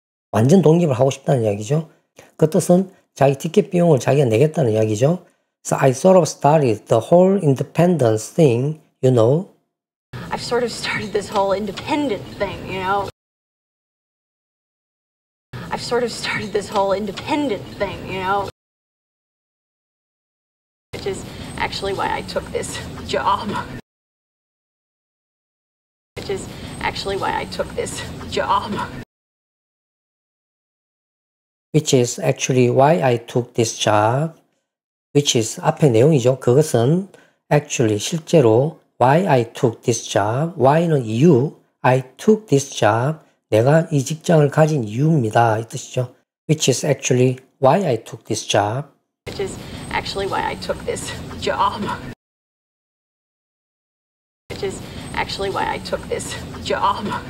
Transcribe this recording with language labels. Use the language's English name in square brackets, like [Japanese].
[Korean] 완전 독립을 하고 싶다는 이야기죠. 그 뜻은 자기 티켓 비용을 자기가 내겠다는 이야기죠. [English] So I sort of started the whole independence thing, you know. I've sort of started this whole independent thing, you know. I've sort of started this whole independent thing, you know. Which is actually why I took this job. Which is actually why I took this job. Which is actually why I took this job. Which is [Korean] 앞에 내용이죠. 그것은 [English] actually [Korean] 실제로 [English] why I took this job. Why는 이유. I took this job. [Korean] 내가 이 직장을 가진 이유입니다. 이 뜻이죠. [English] Which is actually why I took this job. Which is actually why I took this job. Which is actually why I took this job.